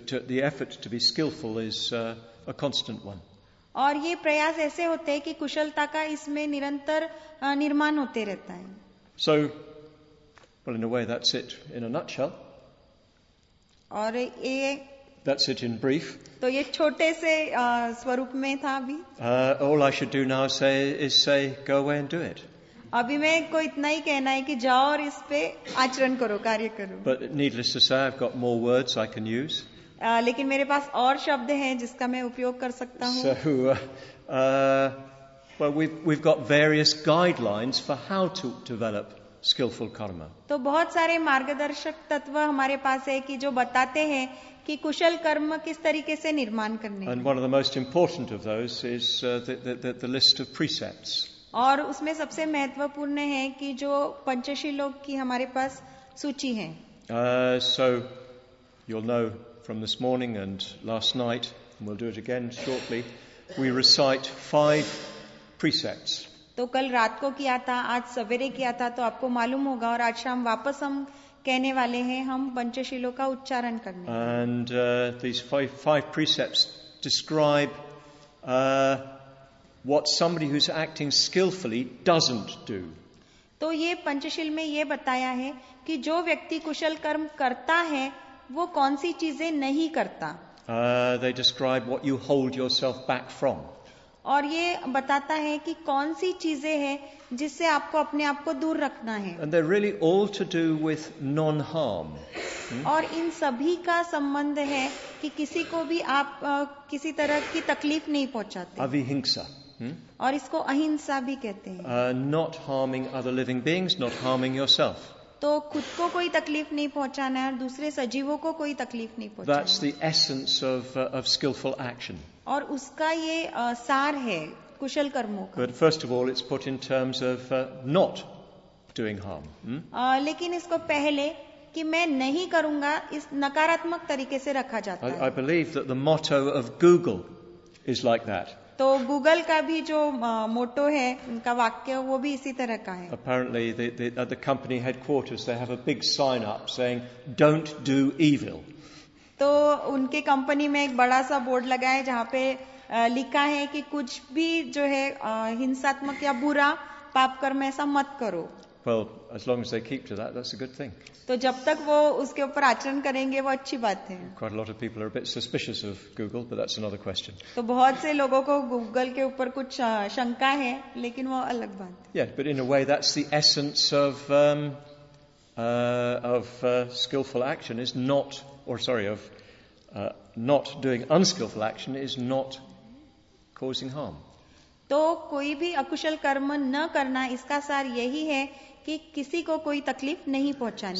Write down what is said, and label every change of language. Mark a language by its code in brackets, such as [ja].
[en] The effort to be skillful is a constant one. [hi] और ये प्रयास ऐसे होते हैं कि कुशलता का इसमें निरंतर निर्माण होते रहता है. [en] So, well, in a way, that's it in a nutshell. [hi] और ये. [en] That's it in brief. [hi] तो ये छोटे से स्वरूप में था अभी. [en] All I should do now is say go away and do it. [hi] अभी मैं को इतना ही कहना है कि जाओ और इस पे आचरण करो कार्य करो. [en] But needless to say, I've got more words I can use. [hi] लेकिन मेरे पास और शब्द हैं जिसका मैं उपयोग कर सकता हूँ. [en] So, we've got various guidelines for how to develop skillful karma. [hi] तो बहुत सारे मार्गदर्शक तत्व हमारे पास है कि जो बताते हैं कि कुशल कर्म किस तरीके से निर्माण करने. [en] And one of the most important of those is the list of precepts. [hi] और उसमें सबसे महत्वपूर्ण है कि जो पंचशीलों की हमारे पास सूची है. [en] So you'll know from this morning and last night, and we'll do it again shortly, we recite 5 precepts. [hi] तो कल रात को किया था आज सवेरे किया था तो आपको मालूम होगा. और आज शाम वापस हम कहने वाले हैं हम पंचशीलों का उच्चारण करने. [en] And these five precepts describe what somebody who's acting skillfully doesn't do. [hi] तो ये पंचशील में ये बताया है कि जो व्यक्ति कुशल कर्म करता है वो कौन सी चीजें नहीं करता. [en] They describe what you hold yourself back from. [hi] और ये बताता है कि कौन सी चीजें हैं जिससे आपको अपने आप को दूर रखना है. [en] And they're really all to do with non-harm. [hi] और इन सभी का संबंध है कि किसी को भी आप किसी तरह की तकलीफ नहीं पहुंचाते. अविहिंसा. और इसको अहिंसा भी कहते हैं. [en] Not harming other living beings, not harming yourself. [hi] तो खुद को कोई तकलीफ नहीं पहुंचाना और दूसरे सजीवों को कोई तकलीफ नहीं पहुंचाना. [en] That's the essence of skillful action. [hi] और उसका ये सार है कुशल कर्मों का. [en] But first of all, it's put in terms of not doing harm. [hi] लेकिन इसको पहले कि मैं नहीं करूंगा इस नकारात्मक तरीके से रखा जाता है. [en] I believe that the motto of Google is like that. [hi] तो गूगल का भी जो मोटो है उनका वाक्य वो भी इसी तरह का है. [en] Apparently the company headquarters they have a big sign up saying don't do evil. [hi] तो उनके कंपनी में एक बड़ा सा बोर्ड लगा है जहाँ पे लिखा है कि कुछ भी जो है हिंसात्मक या बुरा पाप कर्म ऐसा मत करो. [en] Well, as long as they keep to that, that's a good thing. [hi] तो जब तक वो उसके ऊपर आचरण करेंगे वो अच्छी बात है. [en] Quite a lot of people are a bit suspicious of Google, but that's another question. [hi] तो बहुत से लोगों को गूगल के ऊपर कुछ शंका है, लेकिन वो अलग बात है. [en] Yeah, but in a way, that's the essence of skillful action is not, or sorry, of not doing unskillful action is not causing harm. [hi] तो कोई भी अकुशल कर्म न करना इसका सार यही है कि किसी को कोई तकलीफ नहीं पहुंचानी.